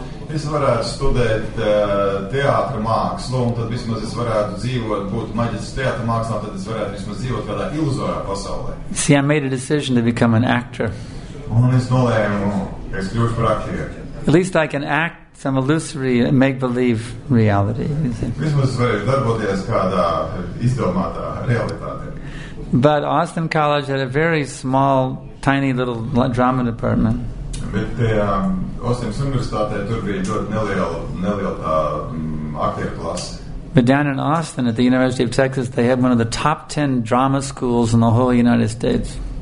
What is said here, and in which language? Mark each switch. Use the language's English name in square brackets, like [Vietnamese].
[Latvian] Es varētu studēt teātra mākslu, un tad vismaz es varētu dzīvot, būt maģisks teātra mākslā, tad es varētu vismaz dzīvot kādā iluzorā pasaulē. [English] See, I made a decision to become an actor. [Latvian] Un es nolēmu, es kļūšu par aktieri. [English] At least I can act some illusory, make-believe reality. [Latvian] Vismaz es varētu darboties kādā izdomātā realitātē. [English] But Austin College had a very small, tiny little drama department. [Latvian] Bet Austin Universitātē tur bija ļoti neliela aktieru klase. [English] But down in Austin at the University of Texas, they have one of the top 10 drama schools in the whole United States.